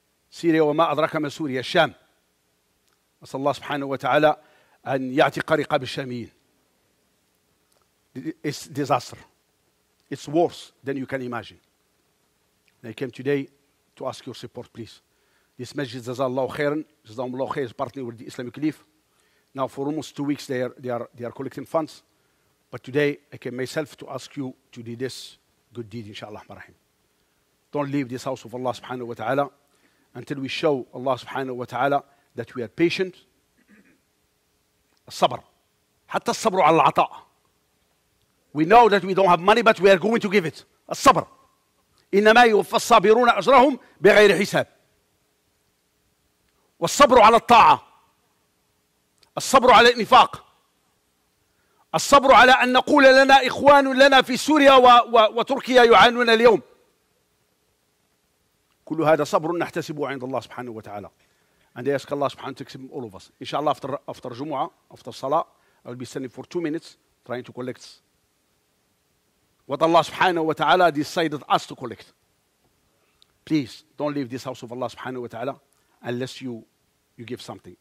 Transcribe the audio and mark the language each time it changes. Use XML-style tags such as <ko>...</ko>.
<ar>Syria وما أدرك ما سوريا الشام. أسأل الله سبحانه وتعالى أن يعتق رقاب الشاميين.</ar> <en>It's disaster. It's worse than you can imagine. I came today to ask your support, please. This masjid</en> <ar>جزاهم الله خيرا. جزاهم الله خير.</ar> <en>Partnered with the Islamic Relief. Now for almost 2 weeks they are collecting funds. But today I came myself to ask you to do this good deed, inshallah rahim. Don't leave this house of Allah subhanahu wa ta'ala until we show Allah subhanahu wa ta'ala that we are patient. Sabr.</en> <ar>Hatta sabr ala ata.</ar> <en>We know that we don't have money, but we are going to give it. Sabr.</en> <ar>Inna ma yuwaffa as-sabiruna ajrahum bighayri hisab. والصبر على الطاعة، الصبر على النفاق، الصبر على أن نقول لنا إخوان لنا في سوريا وتركيا يعانون اليوم، كل هذا صبر نحتسبه عند الله سبحانه وتعالى.</ar> <en>And I ask Allah subhanahu wa ta'ala to all of us. Inshallah, after Jumu'ah, after Salah, I will be standing for 2 minutes trying to collect what Allah subhanahu wa ta'ala decided us to collect. Please, don't leave this house of Allah subhanahu wa ta'ala unless you give something.</en>